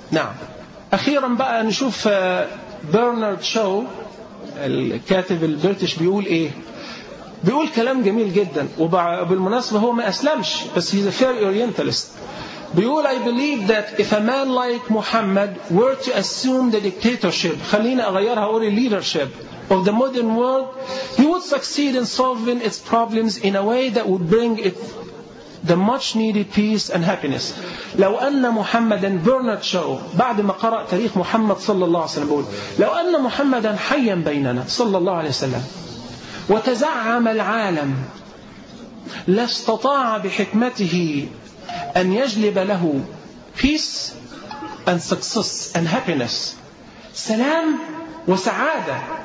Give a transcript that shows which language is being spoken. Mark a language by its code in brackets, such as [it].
[ar] نعم، أخيرا بقى نشوف برنارد شو الكاتب البريتش بيقول إيه. بيقول كلام جميل جدا، وبالمناسبة هو ما أسلمش بس [en] he's a fair orientalist. [ar] بيقول [en] I believe that if a man like Muhammad were to assume the dictatorship، [ar] خلينا أغيرها أقول [en] leadership of the modern world، he would succeed in solving its problems in a way that would bring it the much needed peace and happiness. [ar] لو أن محمدا، برنارد شو بعد ما قرأ تاريخ محمد صلى الله عليه وسلم بيقول لو أن محمدا حيا بيننا صلى الله عليه وسلم وتزعم العالم لا استطاع بحكمته أن يجلب له [en] peace and success and happiness، [ar] سلام وسعادة،